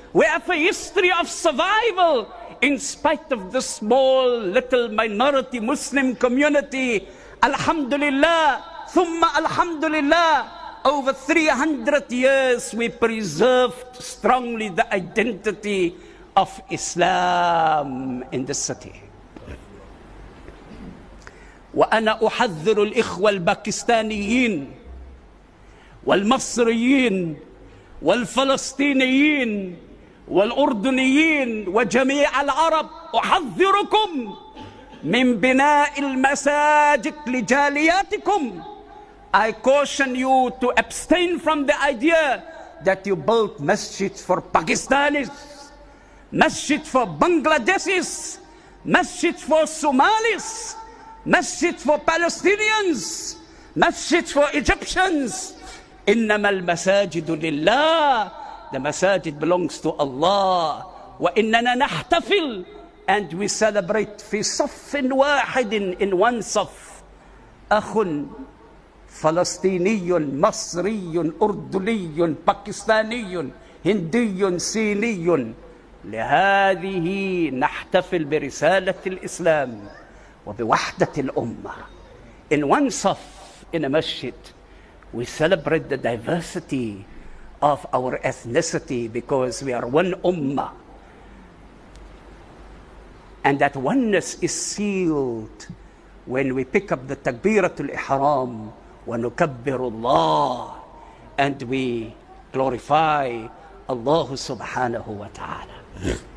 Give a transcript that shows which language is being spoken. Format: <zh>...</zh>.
<en>We have a history of survival in spite of the small little minority Muslim community.</en> <ar>Alhamdulillah, thumma alhamdulillah.</ar> <en>Over 300 years we preserved strongly the identity of Islam in the city.</en> <ar>وأنا أحذر الإخوة الباكستانيين والمصريين والفلسطينيين والأردنيين وجميع العرب أحذركم من بناء المساجد لجالياتكم.</ar> <en>I caution you to abstain from the idea that you built masjids for Pakistanis, masjid for Bangladeshis, masjid for Somalis, masjid for Palestinians, masjid for Egyptians.</en> <ar>إنما المساجد لله.</ar> <en>The masajid belongs to Allah.</en> <ar>وإننا نحتفل.</ar> <en>And we celebrate</en> <ar>في صف واحد,</ar> <en>in one صف.</en> <ar>أخ فلسطيني مصري أردني باكستاني هندي صيني. لهذه نحتفل برسالة الإسلام وبوحدة الأمة.</ar> <en>In one صف, in a masjid, we celebrate the diversity of our ethnicity because we are one ummah. And that oneness is sealed when we pick up the takbiratul ihram</en> <ar>wa nukabbirullah,</ar> <en>and we glorify Allah subhanahu wa ta'ala.</en>